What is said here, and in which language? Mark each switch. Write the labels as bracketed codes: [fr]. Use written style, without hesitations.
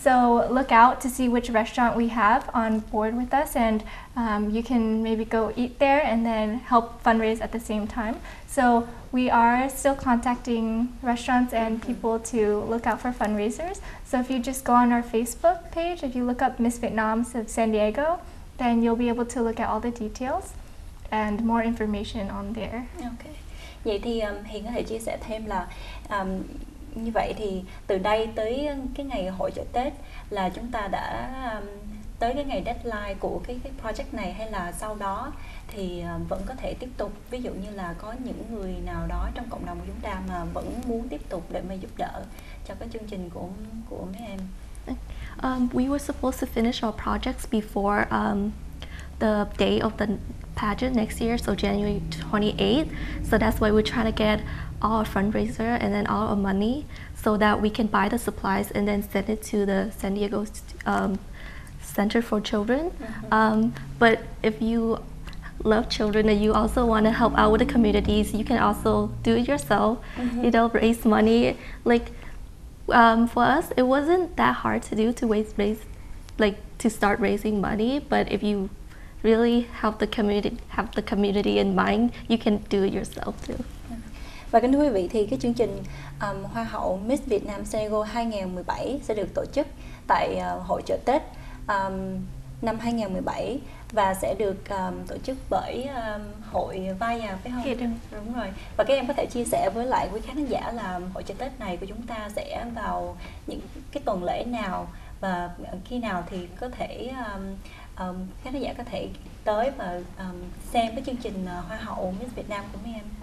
[en] So look out to see which restaurant we have on board with us, and you can maybe go eat there and then help fundraise at the same time. So we are still contacting restaurants and people to look out for fundraisers. So if you just go on our Facebook page, if you look up Miss Vietnam of San Diego, then you'll be able to look at all the details and more information on there. Okay. [vi] Vậy thì Hiền có thể chia sẻ thêm là như vậy thì từ đây tới cái ngày hội chợ Tết là chúng ta đã tới cái ngày deadline của cái project này, hay là sau đó thì vẫn có thể tiếp tục, ví dụ như là có những người nào đó trong cộng đồng của chúng ta mà vẫn muốn tiếp tục để mà giúp đỡ cho cái chương trình của mấy em. [en] We were supposed to finish our projects before the day of the pageant next year, so January 28th. So that's why we're trying to get all our fundraiser and then all our money so that we can buy the supplies and then send it to the San Diego Center for Children. Mm-hmm. But if you love children and you also want to help out with the communities, you can also do it yourself. Mm-hmm. You know, raise money. Like, for us, it wasn't that hard to do to start raising money, but if you really have the community in mind, you can do it yourself too. [vi] Và kính thưa quý vị, thì cái chương trình Hoa hậu Miss Việt Nam San Diego 2017 sẽ được tổ chức tại hội chợ Tết năm 2017 và sẽ được tổ chức bởi hội Vai Nhà, phải không? Đúng. Đúng rồi. Và các em có thể chia sẻ với lại quý khán giả là hội chợ Tết này của chúng ta sẽ vào những cái tuần lễ nào và khi nào thì có thể khán giả có thể tới và xem cái chương trình Hoa hậu Miss Việt Nam của mấy em.